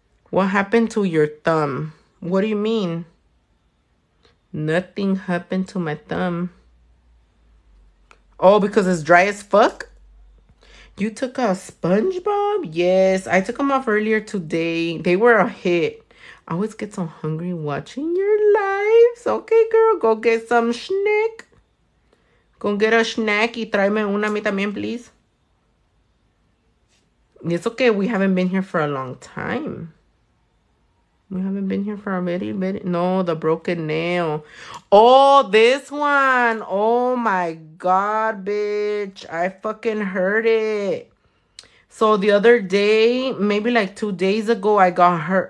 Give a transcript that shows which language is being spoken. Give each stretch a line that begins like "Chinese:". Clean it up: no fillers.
English: What happened to your thumb? What do you mean? Nothing happened to my thumb. Oh, because it's dry as fuck? You took a SpongeBob? Yes, I took them off earlier today. They were a hit. I always get so hungry watching your lives. Okay, girl, go get some snack. Go get a snack
Spanish: y tráeme una a mí también, please.
English: It's okay. We haven't been here for a long time. We haven't been here for a very, very... No, the broken nail. Oh, this one. Oh, my God, bitch. I fucking hurt it. So, the other day, maybe like 2 days ago, I got hurt.